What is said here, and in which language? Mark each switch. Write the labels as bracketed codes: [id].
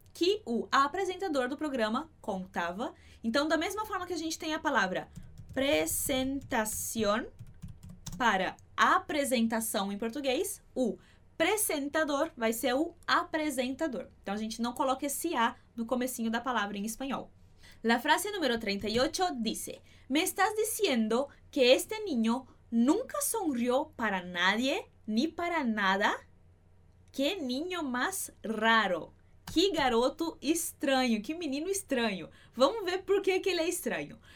[pt] Que o apresentador do programa contava. Então, da mesma forma que a gente tem a palavra presentación para apresentação em português, o presentador vai ser o apresentador. Então, a gente não coloca esse A no comecinho da palavra em espanhol. [es] La frase número 38 dice, me estás diciendo que este niño nunca sonrió para nadie ni para nada? Que niño más raro? [pt] Que garoto estranho, que menino estranho. Vamos ver por que que ele é estranho.